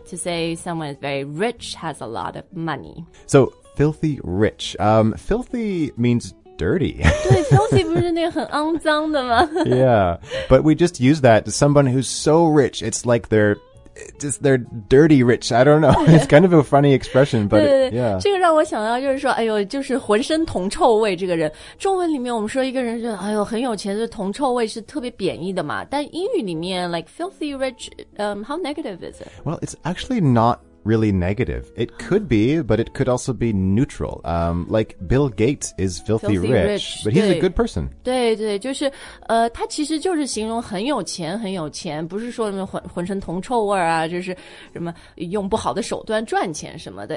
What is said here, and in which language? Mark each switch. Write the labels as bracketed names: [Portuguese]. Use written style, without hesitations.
[English] To say someone is very rich, has a lot of money. So, filthy rich. Filthy means dirty. [Chinese] 对 filthy 不是那个很肮脏的吗 [English] Yeah, but we just use that to someone who's so rich, it's like they're dirty rich, I don't know, it's kind of a funny expression, but [Chinese] 对对对这个让我想到就是说哎呦就是浑身铜臭味这个人。中文里面我们说一个人是哎呦很有钱就是铜臭味是特别贬义的嘛。但英语里面 [English] like filthy rich, how negative is it? Well, it's actually not really negative. It could be, but it could also be neutral. Like Bill Gates is filthy rich, but he's a good person. [Chinese] 对对就是他其实就是形容很有钱很有钱不是说浑身铜臭味啊就是什么用不好的手段赚钱什么的。